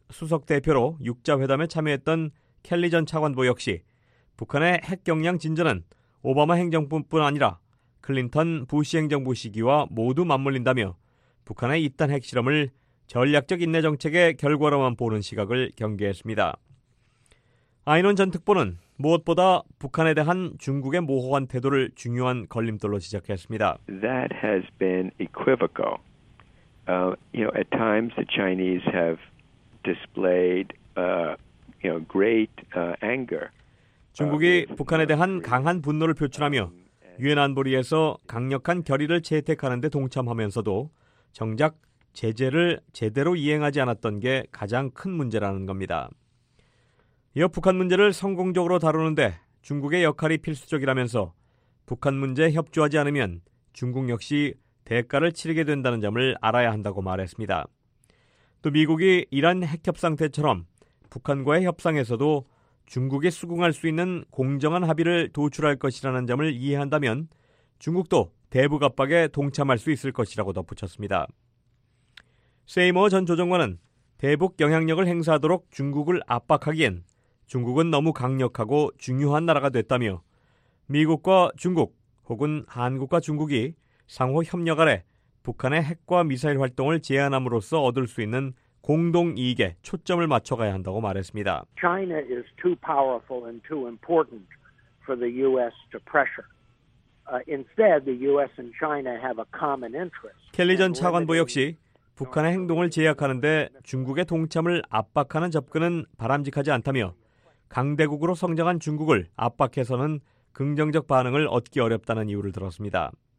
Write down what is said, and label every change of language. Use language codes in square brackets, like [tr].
[ko] 수석대표로 6자회담에 참여했던 켈리 전 차관보 역시 북한의 핵 역량 진전은 오바마 행정부뿐 아니라 클린턴 부시 행정부 시기와 모두 맞물린다며 북한의 잇단 핵실험을 전략적 인내 정책의 결과로만 보는 시각을 경계했습니다. 아이논 전 특보는 무엇보다 북한에 대한 중국의 모호한 태도를 중요한 걸림돌로 지적했습니다. [en] That has been equivocal. At times the Chinese have displayed great anger. [ko] 중국이 북한에 대한 강한 분노를 표출하며 유엔 안보리에서 강력한 결의를 채택하는 데 동참하면서도 정작 제재를 제대로 이행하지 않았던 게 가장 큰 문제라는 겁니다. 이어 북한 문제를 성공적으로 다루는데 중국의 역할이 필수적이라면서 북한 문제에 협조하지 않으면 중국 역시 대가를 치르게 된다는 점을 알아야 한다고 말했습니다. 또 미국이 이란 핵협상 때처럼 북한과의 협상에서도 중국이 수긍할 수 있는 공정한 합의를 도출할 것이라는 점을 이해한다면 중국도 대북 압박에 동참할 수 있을 것이라고 덧붙였습니다. 세이머 전 조정관은 대북 영향력을 행사하도록 중국을 압박하기엔 중국은 너무 강력하고 중요한 나라가 됐다며 미국과 중국 혹은 한국과 중국이 상호 협력 아래 북한의 핵과 미사일 활동을 제한함으로써 얻을 수 있는 공동 이익에 초점을 맞춰가야 한다고 말했습니다. [en] China is too powerful and too important for the U.S. to pressure. Instead, the U.S. and China have a common interest. [ko] 켈리 전 차관보 역시 북한의 행동을 제약하는데 중국의 동참을 압박하는 접근은 바람직하지 않다며 강대국으로 성장한 중국을 압박해서는 긍정적 반응을 얻기 어렵다는 이유를 들었습니다.